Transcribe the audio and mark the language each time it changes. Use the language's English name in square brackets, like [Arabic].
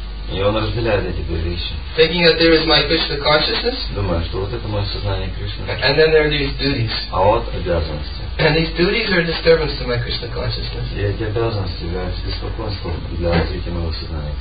[Russian] И он разделяет эти две вещи. [English] Thinking that there is my Krishna consciousness. [Russian] Думаю, что вот это мое сознание Кришны. [English] And then there are these duties. [Russian] А вот обязанности. [English] And these duties are a disturbance to my Krishna consciousness. [Russian] И эти обязанности являются беспокойством для развития моего сознания.